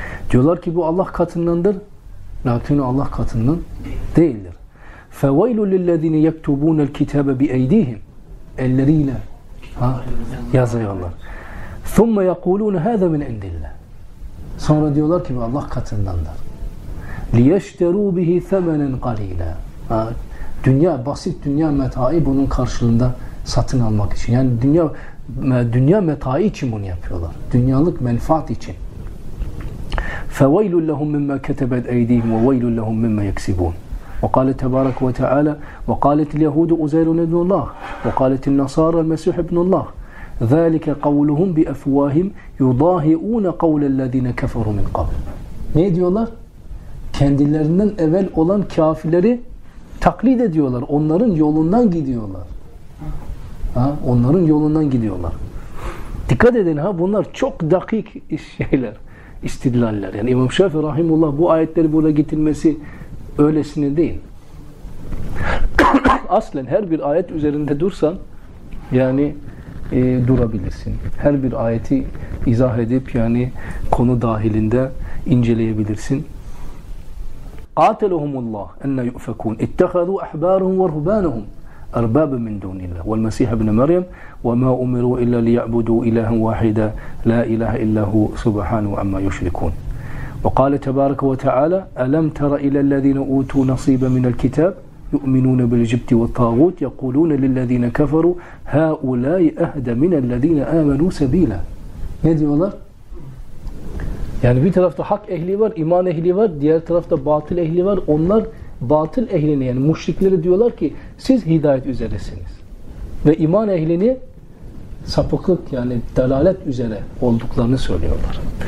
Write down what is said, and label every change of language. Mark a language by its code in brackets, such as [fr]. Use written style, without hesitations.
[tr] Diyorlar ki bu Allah katındandır. Lakin o Allah katından değildir. [ar] فَوَيْلُ لِلَّذ۪ينَ يَكْتُبُونَ الْكِتَابَ بِاَيْد۪يهِمْ [tr] Elleriyle yazıyorlar. [ar] ثُمَّ يَقُولُونَ هَذَا مِنْ عِنْدِ اللّٰهِ [tr] Sonra diyorlar ki Allah katındandır. [ar] لِيَشْتَرُوا بِهِ ثَمَنًا قَلِيلًا [tr] Dünya, basit dünya metai bunun karşılığında satın almak için. Yani dünya metai için bunu yapıyorlar. Dünyalık menfaat için. [ar] فَوَيْلٌ لَهُمْ مِمَّا كَتَبَتْ اَيْد۪يهِمْ وَوَيْلٌ لَهُمْ مِمَّا يَكْسِبُونَ وقال تبارك وتعالى وقالت اليهود عزير ابن الله وقالت النصارى المسيح ابن الله ذلك قولهم بأفواههم يضاهئون قول الذين كفروا من قبل. [tr] Ne diyorlar? Kendilerinden evvel olan kafirleri taklit ediyorlar. Onların yolundan gidiyorlar. Ha? Onların yolundan gidiyorlar. Dikkat edin ha, bunlar çok dakik şeyler, istidlaller. Yani İmam Şafii rahimullah bu ayetleri böyle getirmesi öylesine değil. Aslen her bir ayet üzerinde dursan yani durabilirsin. Her bir ayeti izah edip yani konu dahilinde inceleyebilirsin. [ar] قَاتَلُهُمُ اللّٰهُ اَنَّا يُؤْفَكُونَ اِتَّخَذُوا اَحْبَارُهُمْ وَرْهُبَانَهُمْ اَرْبَابًا مِنْ دُونِ اللّٰهِ وَالْمَسِيحَ بْنَ مَرْيَمْ وَمَا اُمِرُوا اِلَّا لِيَعْبُدُوا اِلَهًا وَاحِدًا لَا اِلَهَ اِلَّهُ سُبْحَانُهُ عَمَّا يُشْرِكُونَ. وقال تبارك وتعالى ألم تر إلى الذين أوتوا نصيبا من الكتاب يؤمنون بالجبت والطاغوت يقولون للذين كفروا هؤلاء أهدى من الذين آمنوا سبيلا. [tr] Ne diyorlar? Yani bir tarafta hak ehli var, iman ehli var, diğer tarafta batıl ehli var. Onlar batıl ehline, yani müşrikleri diyorlar ki siz hidayet üzeresiniz ve iman ehlini sapıklık, yani dalalet üzere olduklarını söylüyorlar.